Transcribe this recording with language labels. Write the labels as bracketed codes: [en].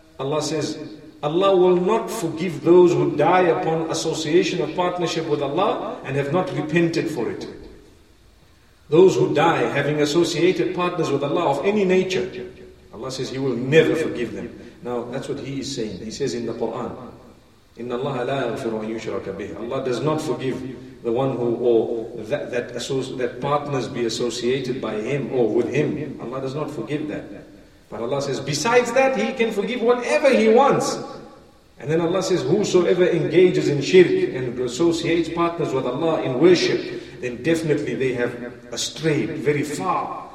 [en] Allah says, Allah will not forgive those who die upon association or partnership with Allah and have not repented for it. Those who die having associated partners with Allah of any nature, Allah says He will never forgive them. Now that's what He is saying. He says in the Quran, [ar] إِنَّ اللَّهَ لَا يَغْفِرُ أَن يُشْرَكَ بِهِ. [en] Allah does not forgive the one who or that partners be associated by him or with him. Allah does not forgive that. But Allah says, besides that, He can forgive whatever He wants. And then Allah says, whosoever engages in shirk and associates partners with Allah in worship, then definitely they have strayed very far.